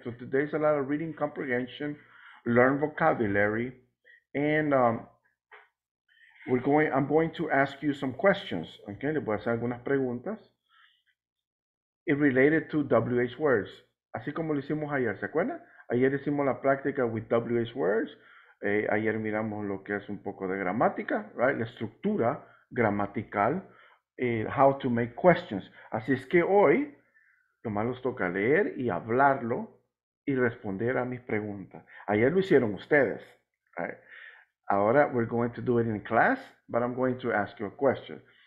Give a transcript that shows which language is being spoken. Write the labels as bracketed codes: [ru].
[en] So today's a lot of reading comprehension, learn vocabulary, and I'm going to ask you some questions, okay? [es] Le voy a hacer algunas preguntas. [en] It related to WH words, [es] así como lo hicimos ayer, ¿se acuerdan? Ayer hicimos la práctica with WH words. Ayer miramos lo que es un poco de gramática, right? La estructura gramatical, [en] how to make questions. [es] Así es que hoy, nomás nos toca leer y hablarlo y responder a mis preguntas. Ayer lo hicieron ustedes, right? [en] Ahora, we're going to do it in class, but I'm going to ask you a question.